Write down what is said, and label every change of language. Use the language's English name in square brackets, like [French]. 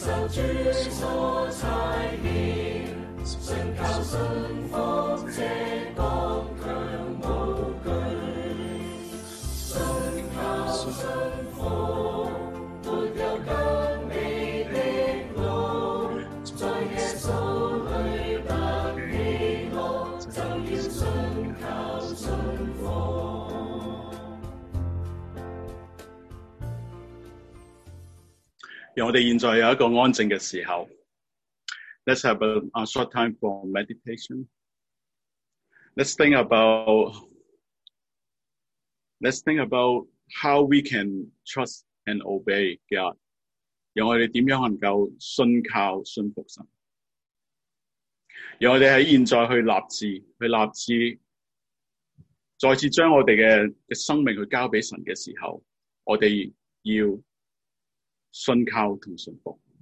[Chinese] 受主所差遣，信靠信服这刚强无惧，信靠信服没有更美的路，在耶稣里不喜乐，就要信靠信服。让我们现在有一个安静的时候。 [English] Let's have a short time for meditation. Let's think about how we can trust and obey God. [Chinese] 让我们怎样能够信靠信服神。让我们在现在去立志，再次将我们的生命去交给神的时候，我们要信靠和信服。